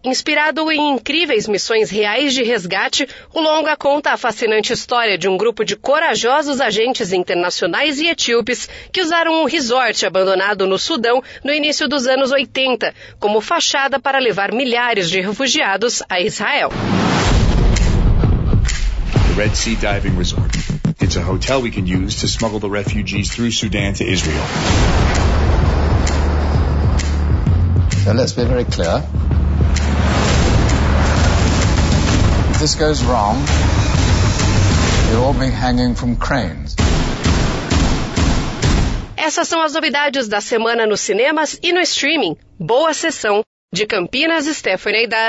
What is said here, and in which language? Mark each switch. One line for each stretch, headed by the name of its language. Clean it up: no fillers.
Portuguese: Inspirado em incríveis missões reais de resgate, o longa conta a fascinante história de um grupo de corajosos agentes internacionais e etíopes que usaram um resort abandonado no Sudão no início dos anos 80, como fachada para levar milhares de refugiados a Israel.
English: The Red Sea Diving Resort. It's a hotel we can use to smuggle the refugees through Sudan to Israel. Now let's be very clear. If this goes wrong, you'll all be hanging from cranes.
Portuguese: Essas são as novidades da semana nos cinemas e no streaming. Boa sessão, de Campinas, Stephanie Aidar.